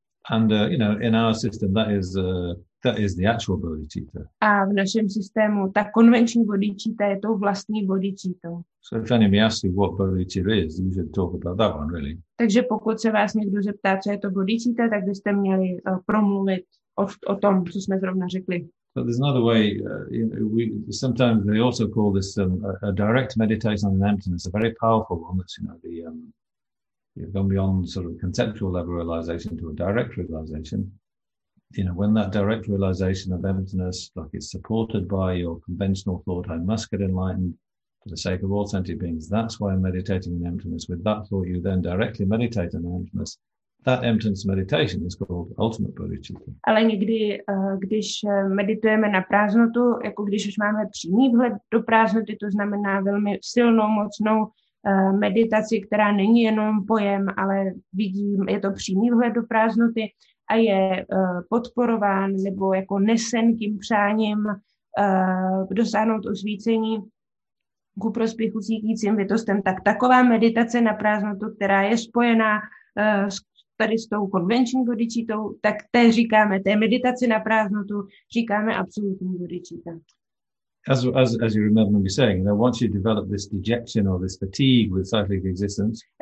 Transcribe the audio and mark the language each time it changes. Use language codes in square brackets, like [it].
[en] And you know, in our system, that is the actual bodhicitta. [cs] A v našem systému ta konvenční bodhicitta je to vlastní bodhicitta. [en] So if anybody asks you what bodhicitta is, you should talk about that one, really. [cs] Takže pokud se vás někdo zeptá, co je to bodhicitta, tak byste měli promluvit o tom, co jsme zrovna řekli. [en] But there's another way. Sometimes they also call this a direct meditation on emptiness, a very powerful one. That's, you know, the you've gone beyond sort of conceptual level realization to a direct realization. You know, when that direct realization of emptiness, like it's supported by your conventional thought, I must get enlightened for the sake of all sentient beings. That's why I'm meditating in emptiness. With that thought, you then directly meditate in emptiness. That emptiness meditation is called ultimate bodhicitta. [cs] Ale někdy, když meditujeme na prázdnotu, jako když už máme přímý vhled do prázdnoty, to znamená velmi silnou, mocnou meditaci, která není jenom pojem, ale vidím, je to přímý vhled do prázdnoty a je podporován nebo jako nesen tím přáním dosáhnout osvícení ku prospěchu cítícím bytostem, tak taková meditace na prázdnotu, která je spojená tady s tou konvenční bodhicittou, tak té říkáme, té meditaci na prázdnotu říkáme absolutní bodhicitta. [en] As you remember me saying, you know, once you develop this dejection or this fatigue with cyclic existence,